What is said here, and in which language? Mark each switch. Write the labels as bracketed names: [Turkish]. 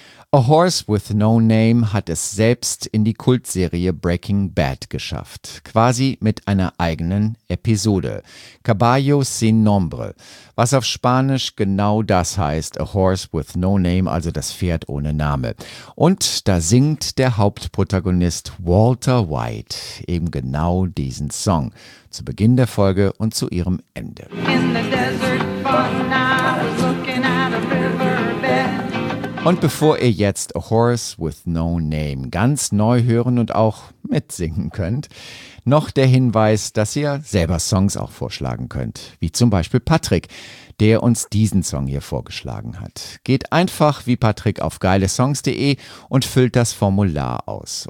[German] A Horse with No Name hat es selbst in die Kultserie Breaking Bad geschafft, quasi mit einer eigenen Episode, Caballo sin Nombre, was auf Spanisch genau das heißt, A Horse with No Name, also das Pferd ohne Name. Und da singt der Hauptprotagonist Walter White eben genau diesen Song, zu Beginn der Folge und zu ihrem Ende. [English] In the desert fun, I was looking at a riverbed. [German] Und bevor ihr jetzt A Horse with No Name ganz neu hören und auch mitsingen könnt, noch der Hinweis, dass ihr selber Songs auch vorschlagen könnt. Wie zum Beispiel Patrick, der uns diesen Song hier vorgeschlagen hat. Geht einfach wie Patrick auf geilesongs.de und füllt das Formular aus.